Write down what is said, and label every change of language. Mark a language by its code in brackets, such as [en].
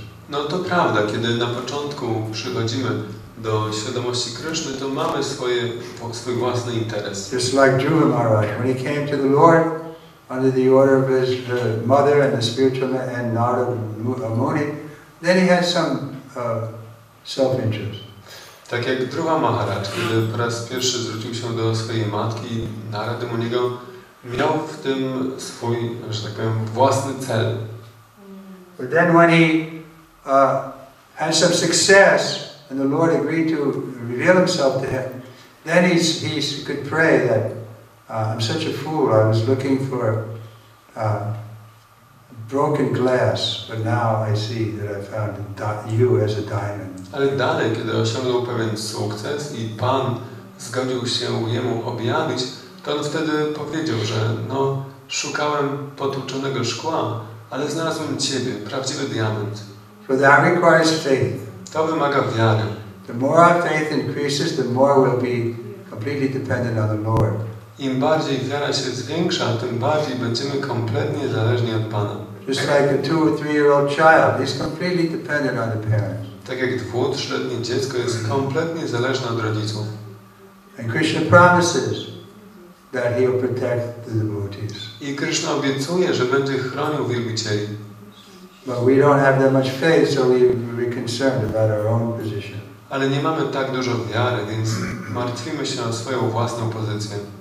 [pl] No to prawda, kiedy na początku przychodzimy do świadomości Kryszny, to mamy swój własny interes. [en] Just like Dhruva Maharaj, when he came to the Lord under the order of his mother and the spiritual man and Narada Muni, then he had some self-interest. [pl] Tak jak Dhruva Maharaj, kiedy po raz pierwszy zwrócił się do swojej matki Narada Muniego, miał w tym swój, że tak powiem, własny cel. [en] But then when he had some success and the Lord agreed to reveal himself to him, then he could pray that I'm such a fool, I was looking for broken glass, but now I see that I found you as a diamond. [pl] Ale dalej, kiedy osiągnął pewien sukces i Pan zgodził się jemu objawić, to on wtedy powiedział, że no, szukałem potłuczonego szkła, ale znalazłem ciebie, prawdziwy diament. [en] So that requires faith. [pl] To wymaga wiary. [en] The more our faith increases, the more we'll be completely dependent on the Lord. [pl] Im bardziej wiara się zwiększa, tym bardziej będziemy kompletnie zależni od Pana. [en] Just like a 2 or 3 year old child, he's completely dependent on the parents. [pl] Tak jak 2-3-letnie dziecko jest kompletnie zależne od rodziców. [en] And Krishna promises that he will protect the devotees. [pl] I Krishna obiecuje, że będzie chronił wielbicieli. [en] But we don't have that much faith, so we're concerned about our own position. [pl] Ale nie mamy tak dużo wiary, więc martwimy się o swoją własną pozycję.